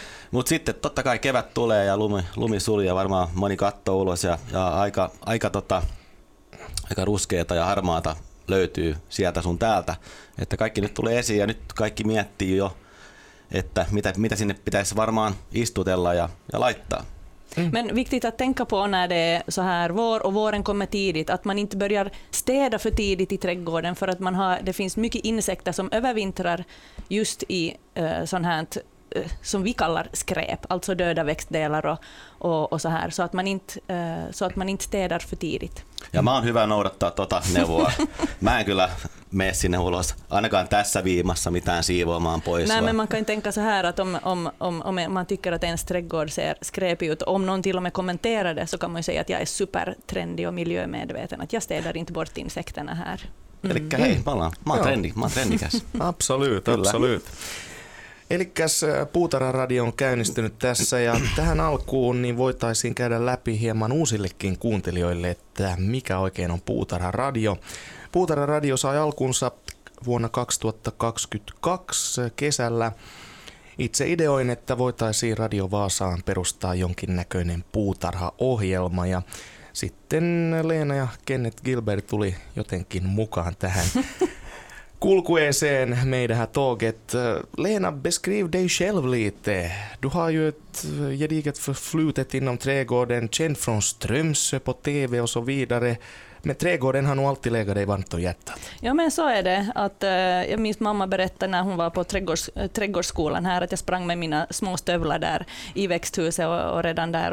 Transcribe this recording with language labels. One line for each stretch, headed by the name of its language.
Finnish: Mutta sitten totta kai kevät tulee ja lumi suljaa, varmaan moni kattoo ulos ja aika ruskeata ja harmaata löytyy sieltä sun täältä, että kaikki nyt tulee esiin ja nyt kaikki miettii jo, että mitä sinne pitäisi varmaan istutella ja laittaa.
Swedish: Men viktigt att tänka på när det är så här vår och våren kommer tidigt, att man inte börjar städa för tidigt i trädgården, för att det finns mycket insekter som övervintrar just i sånt här som vi kallar skräp, alltså döda växtdelar och så här, så att man inte städar för tidigt.
Finnish: Ja mä oon hyvä noudattaa neuvoa. Mä en kyllä mene sinne ulos, ainakaan tässä viimassa mitään siivoamaan pois.
Swedish: Nej, men man kan tänka så här, att om man tycker att ens trädgård ser skräpig ut, om någon till och med kommenterar det, så kan man ju säga att jag är supertrendig och miljömedveten, att jag städar inte bort insekterna här.
Finnish: Elikkä hei, mä oon trendikäs.
Swedish: Absolut.
Finnish: Elikkäs Puutarharadio on käynnistynyt tässä ja tähän alkuun niin voitaisiin käydä läpi hieman uusillekin kuuntelijoille, että mikä oikein on Puutarharadio. Puutarharadio sai alkunsa vuonna 2022 kesällä. Itse ideoin, että voitaisiin Radio Vaasaan perustaa jonkin näköinen puutarhaohjelma ja sitten Leena ja Kenneth Gilberg tuli jotenkin mukaan tähän. Kulkueeseen meidän
Swedish: tåget. Lena, beskriv dig själv lite. Du har ju ett gediget förflutet inom trädgården, känd från Strömsö på TV och så vidare. Men trädgården har nog alltid legat dig varmt och hjärtat. Ja, men så är det. Jag minns mamma berättade när hon var på trädgårdsskolan här att jag sprang med mina små stövlar där i växthuset och redan där.